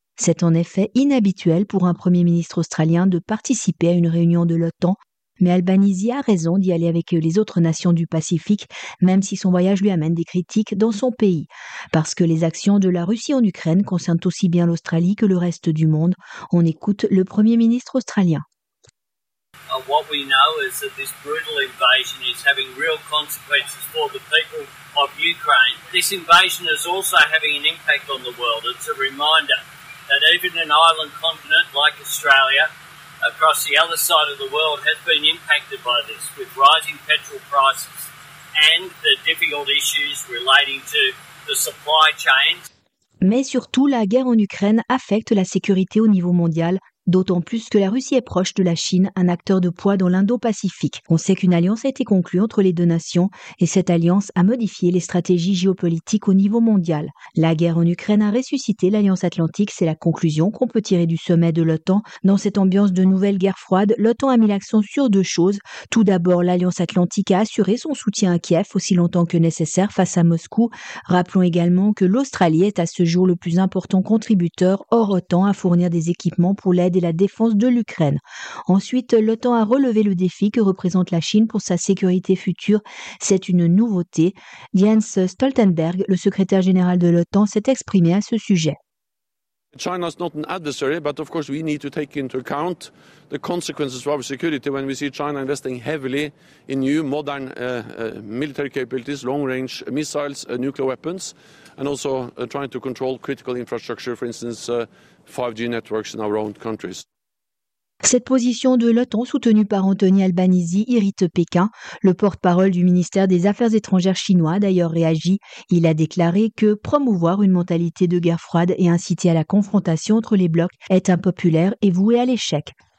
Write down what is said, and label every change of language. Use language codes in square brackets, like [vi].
[fr] C'est en effet inhabituel pour un Premier ministre australien de participer à une réunion de l'OTAN. Mais Albanese a raison d'y aller avec les autres nations du Pacifique, même si son voyage lui amène des critiques dans son pays. Parce que les actions de la Russie en Ukraine concernent aussi bien l'Australie que le reste du monde. On écoute le Premier ministre australien. [en] What we know is that this brutal invasion is having real consequences for the people of Ukraine. This invasion is also having an impact on the world. It's a reminder that even an island continent like Australia across the other side of the world has been impacted by this, with rising petrol prices and the difficult issues relating to the supply chain. [fr] Mais surtout, la guerre en Ukraine affecte la sécurité au niveau mondial, d'autant plus que la Russie est proche de la Chine, un acteur de poids dans l'Indo-Pacifique. On sait qu'une alliance a été conclue entre les deux nations et cette alliance a modifié les stratégies géopolitiques au niveau mondial. La guerre en Ukraine a ressuscité l'Alliance Atlantique, c'est la conclusion qu'on peut tirer du sommet de l'OTAN. Dans cette ambiance de nouvelle guerre froide, l'OTAN a mis l'accent sur deux choses. Tout d'abord, l'Alliance Atlantique a assuré son soutien à Kiev aussi longtemps que nécessaire face à Moscou. Rappelons également que l'Australie est à ce jour le plus important contributeur hors OTAN à fournir des équipements pour l'aide et la défense de l'Ukraine. Ensuite, l'OTAN a relevé le défi que représente la Chine pour sa sécurité future. C'est une nouveauté. Jens Stoltenberg, le secrétaire général de l'OTAN, s'est exprimé à ce sujet. [en] China is not an adversary, but of course we need to take into account the consequences for our security when we see China investing heavily in new modern military capabilities, long-range missiles, nuclear weapons, and also trying to control critical infrastructure, for instance, 5G networks in our own countries. [fr] Cette position de l'OTAN soutenue par Anthony Albanese irrite Pékin. Le porte-parole du ministère des Affaires étrangères chinois a d'ailleurs réagi. Il a déclaré que promouvoir une mentalité de guerre froide et inciter à la confrontation entre les blocs est impopulaire et voué à l'échec.